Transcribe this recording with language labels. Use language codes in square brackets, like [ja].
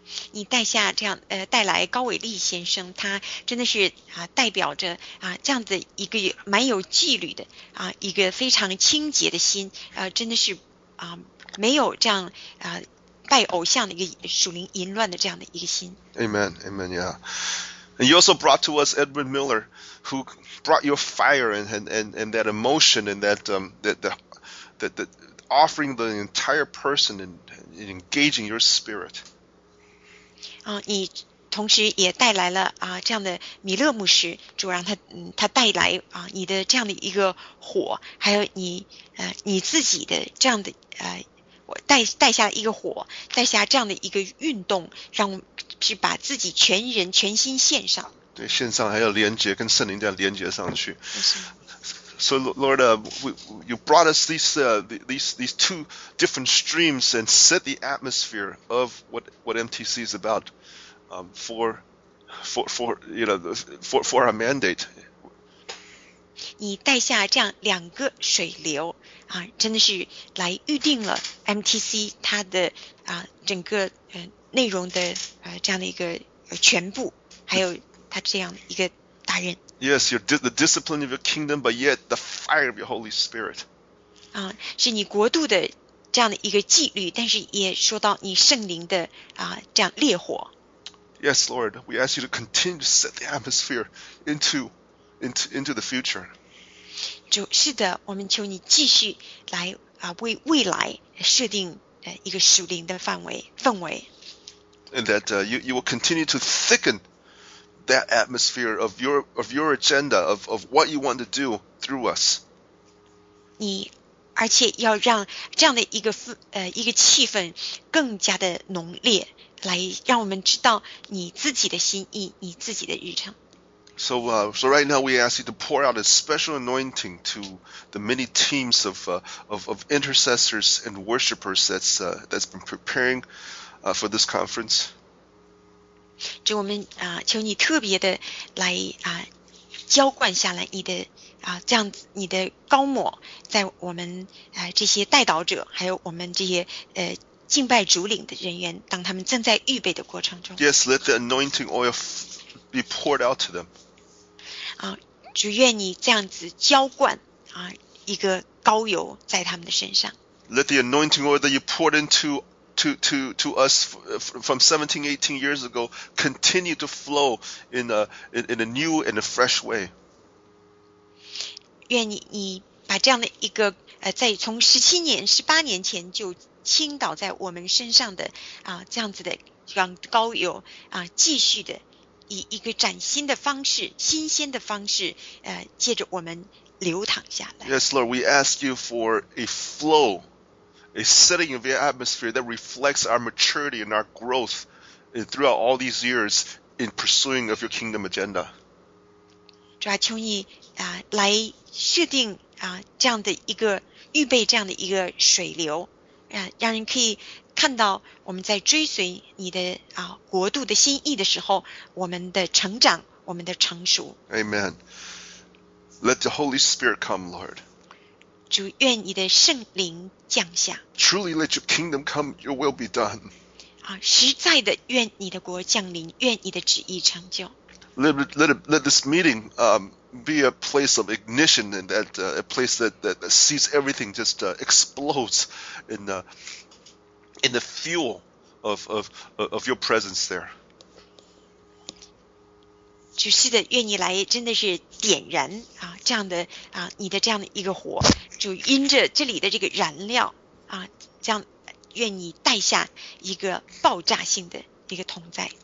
[zh] 你带下这样带来高伟立先生，他真的是代表着这样的一个蛮有纪律的一个非常清洁的心真的是没有这样拜偶像的一个属灵淫乱的这样的一个心。 [en] Amen, amen, yeah. And you also brought to us Edward Miller, who brought your fire and that emotion and that that offering the entire person and engaging your spirit. [zh] 你同时也带来了这样的米勒牧师，主让他带来你的这样的一个火，还有你自己的这样的带下一个火，带下这样的一个运动，让是把自己全人全心献上。对，献上还要连接跟圣灵这样连接上去。 [en] So Lord, you brought us these two different streams and set the atmosphere of what MTC is about for our mandate. [zh] 你带下这样两个水流啊，真的是来预定了 MTC 它的整个内容的这样的一个全部，还有它这样一个大任。 [en] Yes, your the discipline of your kingdom, but yet the fire of your Holy Spirit. [zh] 是你国度的这样的一个纪律，但是也说到你圣灵的这样烈火。 [en] Yes, Lord, we ask you to continue to set the atmosphere into the future. [zh] 主，是的，我们求你继续来为未来设定一个属灵的氛围。 [en] And that you will continue to thicken that atmosphere of your agenda of what you want to do through us. [zh] 你而且要让这样的一个气氛更加的浓烈，来让我们知道你自己的心意，你自己的日程。 [en] So right now we ask you to pour out a special anointing to the many teams of intercessors and worshipers that's been preparing for this conference. [zh] 主，我们求你特别的来浇灌下来你的这样子你的膏抹在我们这些代祷者，还有我们这些敬拜主领的人员，当他们正在预备的过程中。 [en] Yes, let the anointing oil be poured out to them. [zh] 主，愿你这样子浇灌一个膏油在他们的身上。 [en] Let the anointing oil that you poured into us from 17, 18 years ago continue to flow in a new and a fresh way. [zh] 愿你把这样的一个在从17年、18年前就倾倒在我们身上的这样子的让膏油继续的以一个崭新的方式、新鲜的方式借着我们流淌下来。 [en] Yes, Lord, we ask you for a flow, a setting of your atmosphere that reflects our maturity and our growth throughout all these years in pursuing of your kingdom agenda. [zh] 主啊，求你来设定这样的一个预备，这样的一个水流。让人可以看到我们在追随你的国度的心意的时候，我们的成长，我们的成熟。 [en] Amen. Let the Holy Spirit come, Lord. [zh] 主，愿你的圣灵降下。 [en] Truly let your kingdom come, your will be done. [zh] 实在的愿你的国降临，愿你的旨意成就。 [en] Let this meeting be a place of ignition and that a place that sees everything just explodes in the fuel of your presence there. [zh] 主，是的，愿你来真的是点燃这样的你的这样的一个火，主，因着这里的这个燃料这样愿你带下一个爆炸性的一个同在。